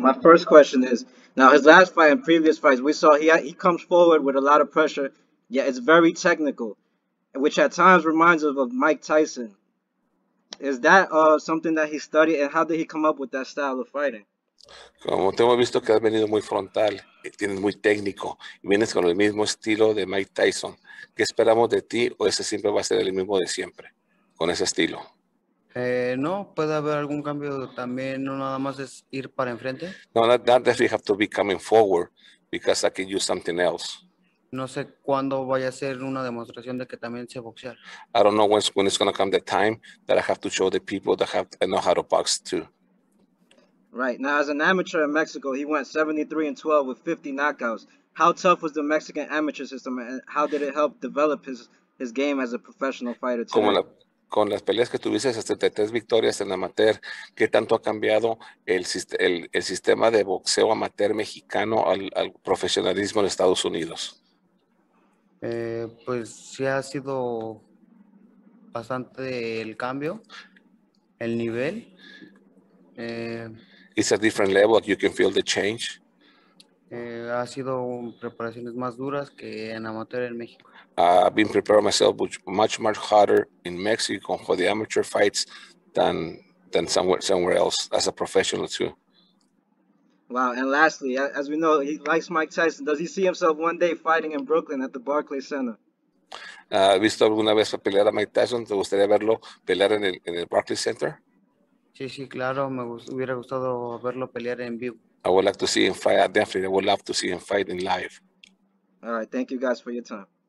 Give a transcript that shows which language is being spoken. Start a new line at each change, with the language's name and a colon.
English: My first question is, now his last fight and previous fights, we saw he comes forward with a lot of pressure, yet it's very technical, which at times reminds us of Mike Tyson. Is that something that he studied, and how did he come up with that style of fighting?
Spanish: Como te hemos visto que has venido muy frontal, tienes muy técnico, y vienes con el mismo estilo de Mike Tyson. ¿Qué esperamos de ti o ese siempre va a ser el mismo de siempre, con ese estilo? No, puede haber algún cambio también, no nada más es ir para enfrente.
English: No, not definitely have to be coming forward, because I can use something else.
Spanish: No sé cuándo vaya a ser una demostración de que también sé boxear.
English: I don't know when it's going to come the time that I have to show the people that have know how to box too. Right. Now, as an amateur in Mexico, he went 73-12 with 50 knockouts. How tough was the Mexican amateur system, and how did it help develop his game as a professional fighter today?
Spanish: Como con las peleas que tuviste, 73 victorias en amateur, ¿qué tanto ha cambiado el sistema de boxeo amateur mexicano al profesionalismo en Estados Unidos? Pues sí ha sido bastante el cambio, el nivel.
English: It's a different level. You can feel the change.
Spanish: Ha sido preparaciones más duras que en amateur en México.
English: I've been preparing myself much harder in Mexico for the amateur fights than somewhere else as a professional too. Wow. And lastly, as we know, he likes Mike Tyson. Does he see himself one day fighting in Brooklyn at the Barclays Center?
Spanish: ¿Visto alguna vez pelear a Mike Tyson? ¿Te gustaría verlo pelear en el Barclays Center? Sí, sí, claro. Me hubiera gustado verlo pelear en vivo.
English: I would like to see him fight. Definitely, I would love to see him fight in live. All right. Thank you guys for your time.